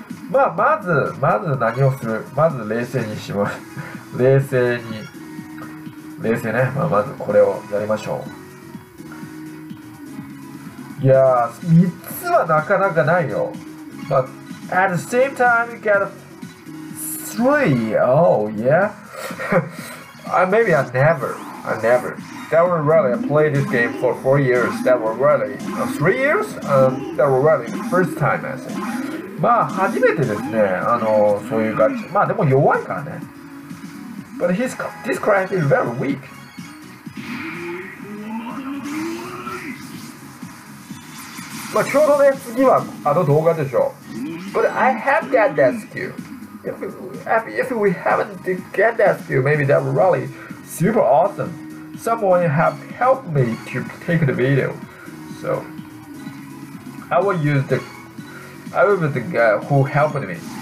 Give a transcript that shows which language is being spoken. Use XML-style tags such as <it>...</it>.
<ja>まあまずまず何をする、まず冷静にします。冷静ね。まあまずこれをやりましょう。いやー、3つはなかなかないよ。</ja> <en>But at the same time you get three. Oh yeah. I never. That were really, I played this game for 4 years. That were really, 3 years? That were really, first time, I think.</en> <ja>まあ、初めてですね。そういうガチ。まあ、でも弱いからね。</ja> <en>But this craft is very weak.</en> <ja>まあ、ちょうどね、次は、動画でしょ。</ja> <en>But I have that skill. If we haven't get that skill, maybe that were really super awesome. Someone have helped me to take the video. So I will use the guy who helped me.</en>